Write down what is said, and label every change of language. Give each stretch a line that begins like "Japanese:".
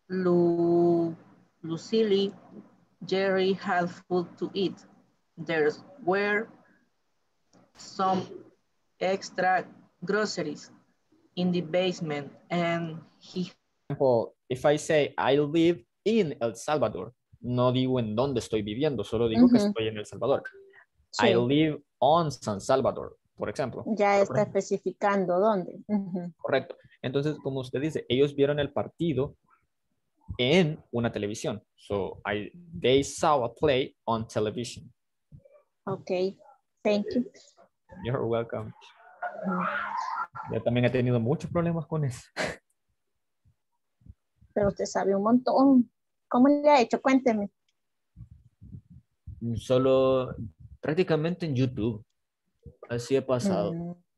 English: Lucille, Jerry had food to eat. There were some extra groceries in the basement, and he. Well, if I say I live in El Salvador,
Spanish: no digo en dónde estoy viviendo, solo digo que estoy en El Salvador. Sí.
English: I live on San Salvador,
Spanish: por ejemplo. Ya está especificando dónde. Correcto. Entonces, como usted dice, ellos vieron el partido. en una televisión.
English: So I they saw a play on television. Okay, thank you. You're welcome.
Spanish: Yo también he tenido muchos problemas con eso. Pero usted sabe un montón. ¿Cómo le ha hecho? Cuénteme. Solo prácticamente en YouTube. Así he pasado.